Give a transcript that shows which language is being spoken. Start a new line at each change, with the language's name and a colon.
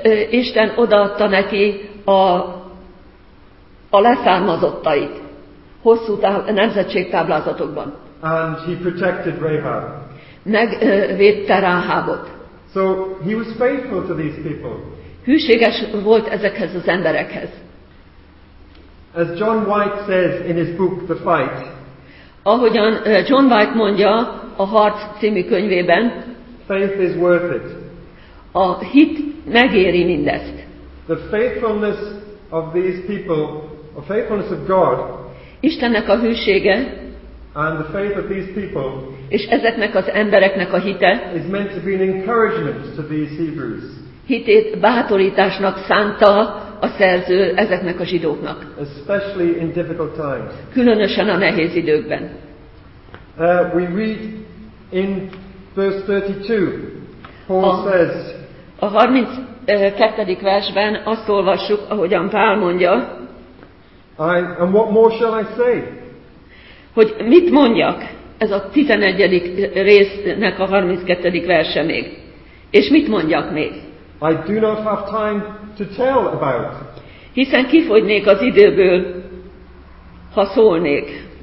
Hungarian: Isten odaadta neki a leszármazottait hosszú nemzetségtáblázatokban.
English: And he protected Rahab.
Hungarian: Megvédte Ráhábot.
English: So he was faithful to these people.
Hungarian: Hűséges volt ezekhez az emberekhez.
English: As John White says in his book The Fight.
Hungarian: Ahogyan John White mondja a Harc című könyvében.
English: Faith is worth it.
Hungarian: A hit megéri mindezt.
English: The faithfulness of these people, the faithfulness of God.
Hungarian: Istennek a hűsége.
English: And the faith of these people.
Hungarian: És ezeknek az embereknek a hite.
English: Is meant to be an encouragement to these Hebrews.
Hungarian: Hitét bátorításnak szánta a szerző ezeknek a zsidóknak.
English: Especially in difficult times.
Hungarian: Különösen a nehéz időkben.
English: We read in verse 32, Paul says.
Hungarian: A 32. versben azt olvassuk, ahogyan Pál mondja.
English: And what more shall I say?
Hungarian: Hogy mit mondjak? Ez a 11. résznek a 32. verse még. És mit mondjak még?
English: I do not have time to tell about.
Hungarian: Hiszen kifogynék az időből, ha szólnék.